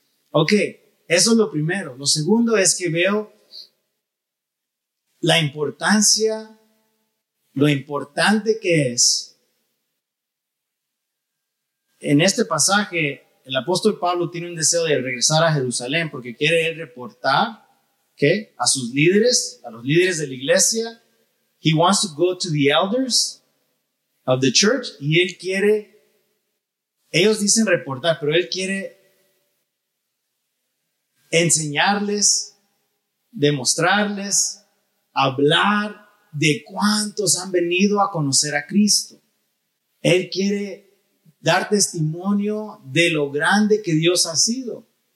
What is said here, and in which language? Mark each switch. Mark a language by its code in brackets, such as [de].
[es] Ok, eso es lo primero. Lo segundo es que veo la importancia, lo importante que es. En este pasaje, el apóstol Pablo tiene un deseo de regresar a Jerusalén porque quiere él reportar, ¿qué? A sus líderes, a los líderes de la iglesia. [en] He wants to go to the elders of the church. [es] Y él quiere, ellos dicen reportar, pero él quiere enseñarles, demostrarles, hablar de cuántos han venido a conocer a Cristo. Él quiere dar testimonio de lo grande que Dios ha sido.